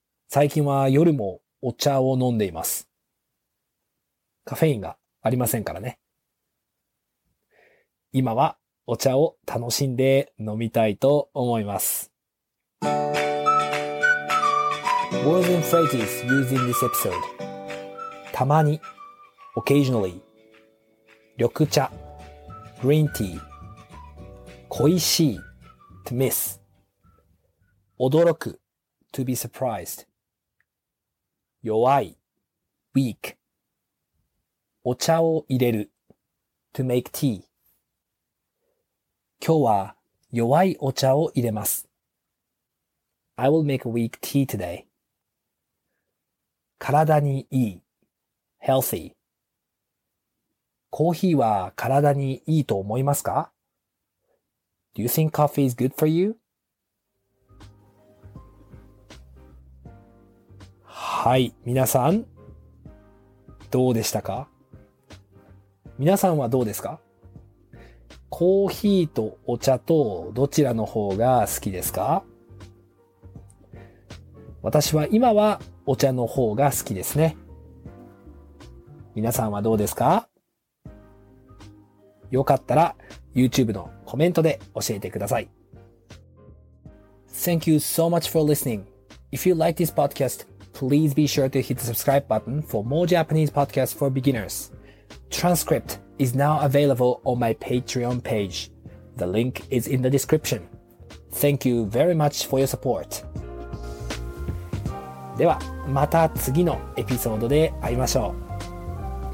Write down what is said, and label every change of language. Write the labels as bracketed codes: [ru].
[ja] 最近は夜もお茶を飲んでいます。カフェインがありませんからね。今はお茶を楽しんで飲みたいと思います。 [en] Words and phrases used in this episode. たまに occasionally 緑茶 green tea 恋しい to miss 驚く to be surprised 弱い weak お茶を入れる to make tea。 [ja] 今日は弱いお茶を入れます。 [en] I will make a weak tea today. [ja] 体にいい healthy。コーヒーは体にいいと思いますか？ [en] Do you think coffee is good for you? [ja] はい、皆さんどうでしたか？皆さんはどうですか？コーヒーとお茶とどちらの方が好きですか？私は今はお茶の方が好きですね。皆さんはどうですか？よかったら YouTube のコメントで教えてください。 [en] Thank you so much for listening. If you like this podcast, please be sure to hit the subscribe button for more Japanese podcasts for beginners. Transcript. is now available on my Patreon page. The link is in the description. Thank you very much for your support. [ja] ではまた次のエピソードで会いましょう。